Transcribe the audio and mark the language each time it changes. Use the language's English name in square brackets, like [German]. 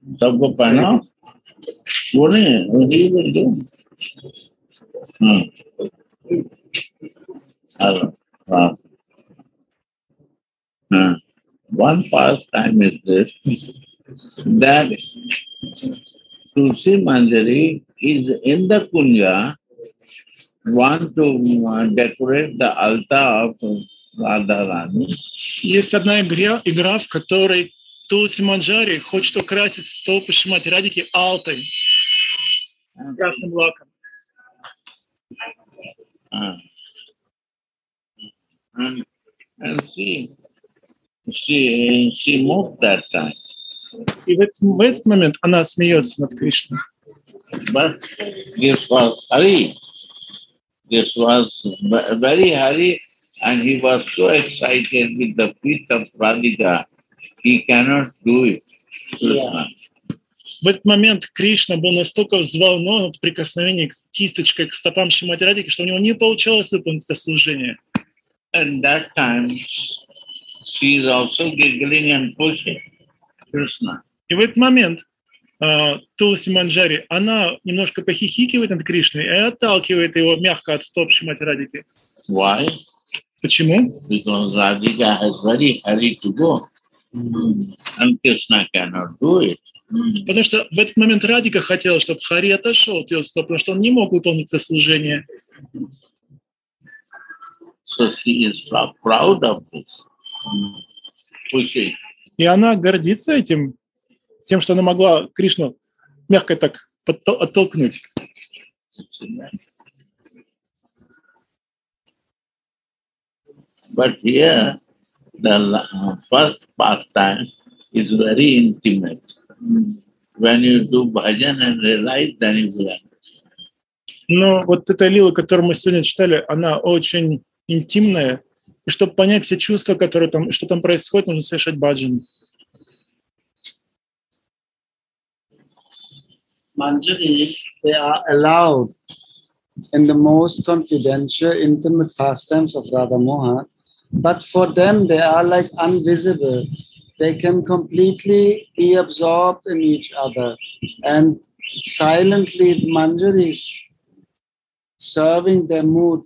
[English] Sabgopana, what he will do? One pastime is this, that Tulsi Manjari is in the kunya, want to decorate the altar of Radha Rani. [Russian] Есть одна игра, в которой Тулси Манджари хочет украсить столб Шримати Радики алтой, красным лаком. [English] And she moved that time. [Russian] И в этот момент она смеется над Кришной. [English] But this was Hari. This was very Hari, and he was so excited with the feet of Radhika, he cannot do it. [Russian] В этот момент Кришна был настолько взволнован от прикосновения кисточкой к стопам Шримати Радики, что у него не получалось выполнить это служение. [English] And that time she is also giggling and pushing Krishna. [Russian] И в этот момент Туласи Манджари, она немножко похихикивает над Кришной и отталкивает его мягко от стоп Шримати Радики. [English] Why? [Russian] Почему? [English] Because Radhika has very hurry to go, and Krishna cannot do it. [Russian] Потому что в этот момент Радика хотела, чтобы Хари отошел от ее стоп, потому что он не мог выполнить это служение. [English] So she is proud of this. Pushing. [Russian] И она гордится этим, тем, что она могла Кришну мягко так оттолкнуть. [English] But here the first pastime is very intimate. When you do bhajan and realize, then you learn. [Russian] Но вот эта лила, которую мы сегодня читали, она очень интимная. И чтобы понять все чувства, которые там, что там происходит, нужно совершать баджан. [English] Манджари, they are allowed in the most confidential, intimate pastimes of Radha Mohan, but for them they are like invisible. They can completely be absorbed in each other and silently Manjari serving their mood.